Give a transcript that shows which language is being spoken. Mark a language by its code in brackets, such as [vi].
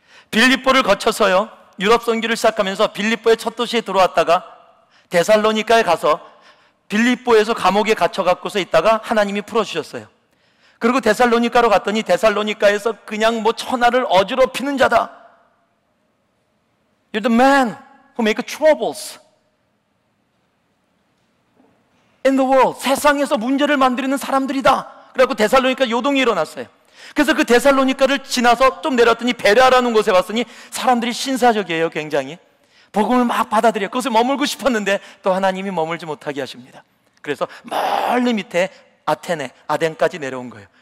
[ko] 빌립보를 거쳐서요 유럽 선교를 시작하면서 빌립보의 첫 도시에 들어왔다가 데살로니카에 가서 빌립보에서 감옥에 갇혀갖고서 있다가 하나님이 풀어주셨어요. 그리고 데살로니카로 갔더니 데살로니카에서 그냥 뭐 천하를 어지럽히는 자다. [en] You're the man who make troubles in the world. [ko] 세상에서 문제를 만드는 사람들이다. 그래갖고 데살로니카 요동이 일어났어요. 그래서 그 데살로니카를 지나서 좀 내려왔더니 베레아라는 곳에 왔으니 사람들이 신사적이에요. 굉장히 복음을 막 받아들여 그곳에 머물고 싶었는데 또 하나님이 머물지 못하게 하십니다. 그래서 멀리 밑에 아테네, 아덴까지 내려온 거예요.